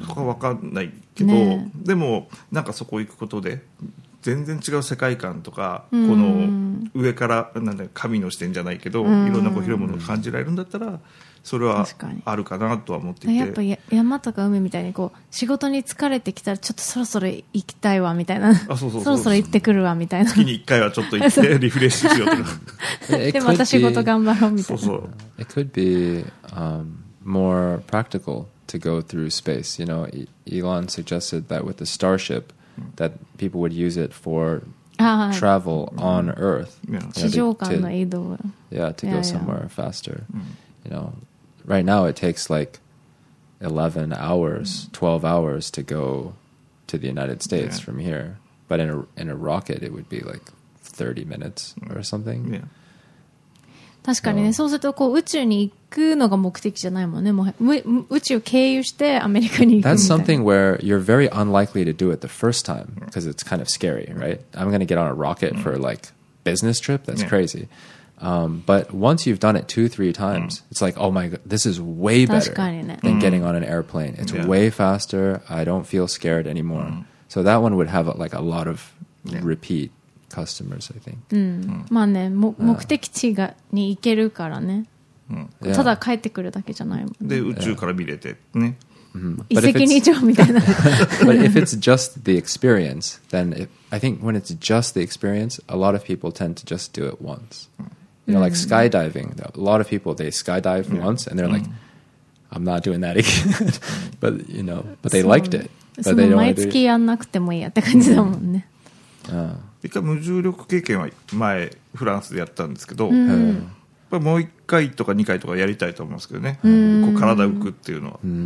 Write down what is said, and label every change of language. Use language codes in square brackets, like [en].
[ja] ね、そこは分かんないけど、ね、でもなんかそこ行くことで全然違う世界観とか、この上からなんだ神の視点じゃないけど、いろんなこう広いものを感じられるんだったら、それはあるかなとは思っていて、やっぱ山とか海みたいにこう仕事に疲れてきたらちょっとそろそろ行きたいわみたいな、あ、そうそうう、そろそろ行ってくるわみたいな、月に1回はちょっと行ってリフレッシュしようとかでまた仕事頑張ろうみたいな。そうそう、 [en] It could be、more practical to go through space. You know, Elon suggested that with the Starship that people would use it for travel on Earth. [ja] 地上間の移動、 [en] yeah, to go somewhere faster. You know, right now it takes like 11 hours, 12 hours to go to the United States from here. But in a rocket, it would be like 30 minutes or something. Yeah. [ja] 確かにね。そうするとこう宇宙に行くのが目的じゃないもんね。もう宇宙を経由してアメリカに行くみたいな。 [en] That's something where you're very unlikely to do it the first time because it's kind of scary, right? I'm going to get on a rocket for like business trip? That's crazy. But once you've done it 2-3 times, it's like, oh my god, this is way better than getting on an airplane. It's way faster. I don't feel scared anymore. So that one would have like a lot of repeat customers, I think. [ja] まあね、目的地がに行けるからね。ただ帰ってくるだけじゃないもん、ね。で、宇宙から見れてね。遺跡に行くみたいな。 [en] But if it's just the experience, then I think when it's just the experience, a lot of people tend to just do it once. You know, like skydiving. A lot of people, they skydive once and they're like, I'm not doing that again. But, you know, but they liked it. But they don't do it. [ja] 毎月やんなくてもいいやって感じだもんね。一回無重力経験は前、フランスでやったんですけど、やっぱりもう一回とか二回とかやりたいと思いますけどね。こう体浮くっていうのは。